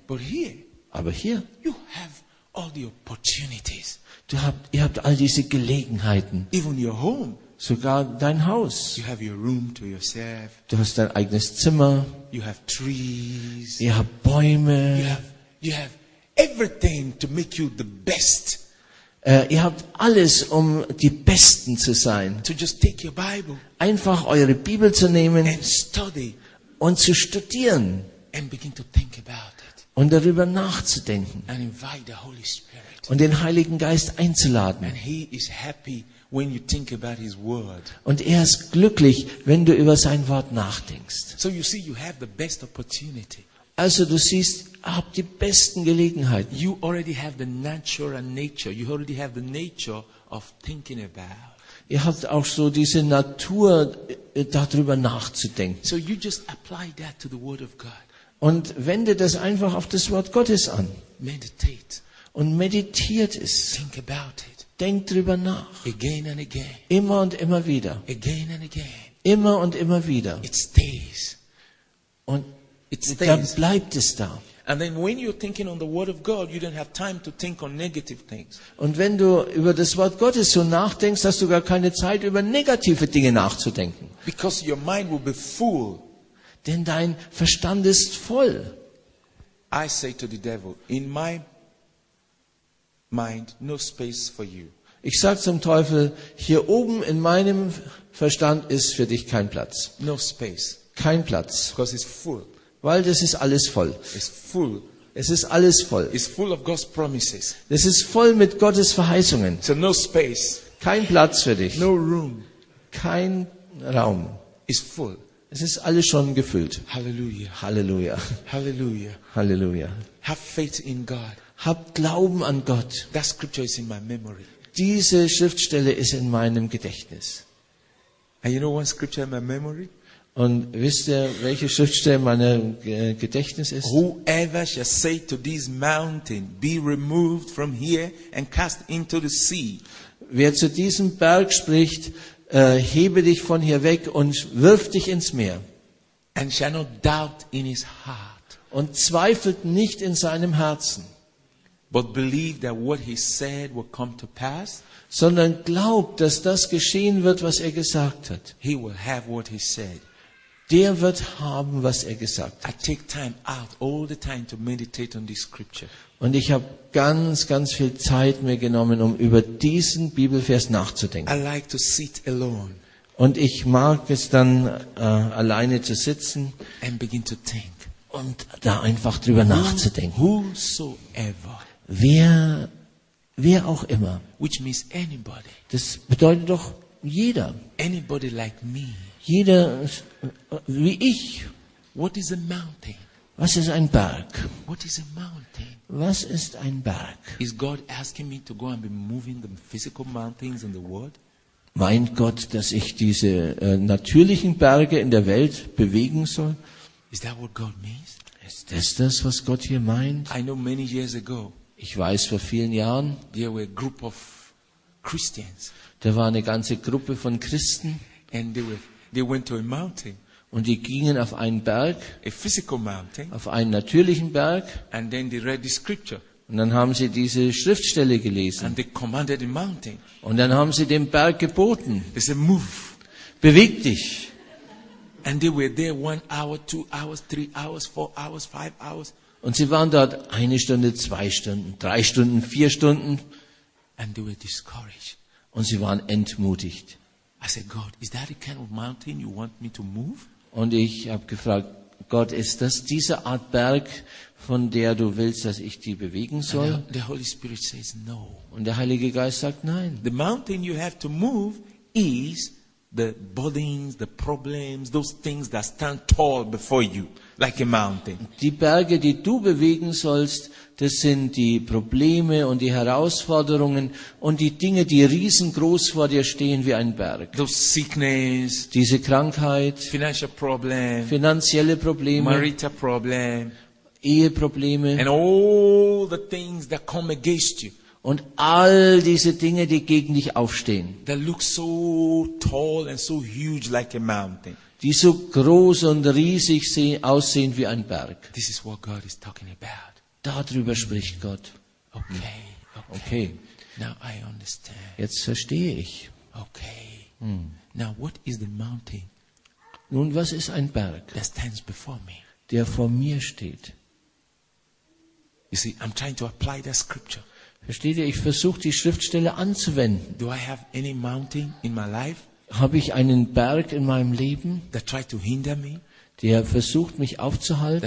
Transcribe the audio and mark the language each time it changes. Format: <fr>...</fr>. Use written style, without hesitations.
<en>But here,</en> <de>aber hier,</de> <en>you have all the opportunities.</en> <de>Ihr habt all diese Gelegenheiten.</de> <en>Even your home.</en> <de>Sogar dein Haus.</de> <en>You have your room to yourself.</en> <de>Du hast dein eigenes Zimmer.</de> <en>You have trees.</en> <de>Ihr habt Bäume.</de> <en>You have everything to make you the best.</en> <de>Ihr habt alles, um die Besten zu sein.</de> <en>To just take your Bible.</en> <de>Einfach eure Bibel zu nehmen.</de> <en>And study.</en> <de>Und zu studieren.</de> <en>And begin to think about it.</en> <de>Und darüber nachzudenken.</de> <en>And invite the Holy Spirit.</en> <de>Und den Heiligen Geist einzuladen.</de> <en>And he is happy when you think about his word.</en> <de>Und ist glücklich, wenn du über sein Wort nachdenkst.</de> <en>So you see, you have the best opportunity.</en> <de>Also du siehst, hab die besten Gelegenheiten.</de> <en>You already have the natural nature. You already have the nature of thinking about.</en> <de>Ihr habt auch so diese Natur, darüber nachzudenken.</de> <en>So you just apply that to the word of God.</en> <de>Und wende das einfach auf das Wort Gottes an.</de> <en>Meditate.</en> <de>Und meditiert es.</de> <en>Think about it.</en> <de>Denk drüber nach.</de> <en>Again and again.</en> <de>Immer und immer wieder.</de> <en>Again and again.</en> <de>Immer und immer wieder.</de> <en>It stays.</en> <de>Und</de> <en>it stays.</en> <de>Dann bleibt es da.</de> <en>And then when you're thinking on the word of God, you don't have time to think on negative things.</en> <de>Und wenn du über das Wort Gottes so nachdenkst, hast du gar keine Zeit, über negative Dinge nachzudenken.</de> <en>Because your mind will be full.</en> <de>Denn dein Verstand ist voll.</de> <en>I say to the devil, in my mind, no space for you.</en> <de>Ich sag zum Teufel, hier oben in meinem Verstand ist für dich kein Platz.</de> <en>No space.</en> <de>Kein Platz.</de> <en>Because it's full.</en> <de>Weil das ist alles voll.</de> <en>It's full.</en> <de>Es ist alles voll.</de> <en>It's full of God's promises.</en> <de>Es ist voll mit Gottes Verheißungen.</de> <en>So no space.</en> <de>Kein Platz für dich.</de> <en>No room.</en> <de>Kein Raum.</de> <en>It's full.</en> <de>Es ist alles schon gefüllt.</de> <en>Halleluja.</en> <de>Halleluja.</de> <en>Halleluja.</en> <de>Halleluja.</de> <en>Have faith in God.</en> <de>Hab Glauben an Gott.</de> <en>That scripture is in my memory.</en> <de>Diese Schriftstelle ist in meinem Gedächtnis.</de> <en>And you know one scripture in my memory?</en> <de>Und wisst ihr, welche Schriftstelle in meinem Gedächtnis ist?</de> <en>Whoever shall say to this mountain, be removed from here and cast into the sea.</en> <de>Wer zu diesem Berg spricht, hebe dich von hier weg und wirf dich ins Meer.</de> <en>And shall not doubt in his heart.</en> <de>Und zweifelt nicht in seinem Herzen.</de> <en>But believe that what he said will come to pass.</en> <de>Sondern glaub, dass das geschehen wird, was er gesagt hat.</de> <en>He will have what he said.</en> <de>Der wird haben, was er gesagt hat.</de> <en>I take time out all the time to meditate on this scripture.</en> <de>Und ich habe ganz, ganz viel Zeit mir genommen, um über diesen Bibelvers nachzudenken.</de> <en>I like to sit alone.</en> <de>Und ich mag es dann, alleine zu sitzen.</de> <en>And begin to think.</en> <de>Und da einfach drüber nachzudenken.</de> <en>Whosoever.</en> <de>Wer auch immer.</de> <en>Which means anybody.</en> <de>Das bedeutet doch jeder.</de> <en>Anybody like me.</en> <de>Jeder wie ich.</de> <en>What is a mountain?</en> <de>Was ist ein Berg?</de> <en>What is a mountain?</en> <de>Was ist ein Berg?</de> <en>Is God asking me to go and be moving the physical mountains in the world?</en> <de>Meint Gott, dass ich diese natürlichen Berge in der Welt bewegen soll?</de> <en>Is that what God means?</en> <de>Ist das das, was Gott hier meint?</de> <en>I know many years ago,</en> <de>ich weiß, vor vielen Jahren,</de> <en>there were a group of Christians,</en> <de>da war eine ganze Gruppe von Christen,</de> <en>and they went to a mountain,</en> <de>und die gingen auf einen Berg,</de> <en>a physical mountain,</en> <de>auf einen natürlichen Berg,</de> <en>and then they read the scripture,</en> <de>und dann haben sie diese Schriftstelle gelesen,</de> <en>and they commanded the mountain,</en> <de>und dann haben sie dem Berg geboten,</de> <en>they said, move,</en> <de>beweg dich.</de> <en>And they were there 1 hour, 2 hours, 3 hours, 4 hours, 5 hours.</en> <de>Und sie waren dort eine Stunde, zwei Stunden, drei Stunden, vier Stunden.</de> <en>And they were discouraged.</en> <de>Und sie waren entmutigt.</de> <en>I said, God, is that the kind of mountain you want me to move?</en> <de>Und ich habe gefragt, Gott, ist das diese Art Berg, von der du willst, dass ich die bewegen soll?</de> <en>And the Holy Spirit says no.</en> <de>Und der Heilige Geist sagt nein.</de> <en>The mountain you have to move is the burdens, the problems, those things that stand tall before you, like a mountain.</en> <de>Die Berge, die du bewegen sollst, das sind die Probleme und die Herausforderungen und die Dinge, die riesengroß vor dir stehen wie ein Berg.</de> <en>Those sickness,</en> <de>diese Krankheit,</de> <en>financial problem,</en> <de>finanzielle Probleme,</de> <en>marital problem,</en> <de>Eheprobleme,</de> <en>and all the things that come against you.</en> <de>Und all diese Dinge, die gegen dich aufstehen.</de> <en>They look so tall and so huge like a mountain.</en> <de>Die so groß und riesig aussehen wie ein Berg.</de> <en>This is what God is talking about.</en> <de>Darüber spricht Gott.</de> <en>Okay, okay.</en> <de>Okay.</de> <en>Now I understand.</en> <de>Jetzt verstehe ich.</de> <en>Okay. Now what is the mountain?</en> <de>Nun, was ist ein Berg?</de> <en>That stands before me.</en> <de>Der vor mir steht.</de> <en>You see, I'm trying to apply that scripture.</en> <de>Versteht ihr, ich versuche die Schriftstelle anzuwenden.</de> <en>Do I have any mountain in my life?</en> <de>Habe ich einen Berg in meinem Leben?</de> <en>That try to hinder me?</en> <de>Der versucht mich aufzuhalten?</de>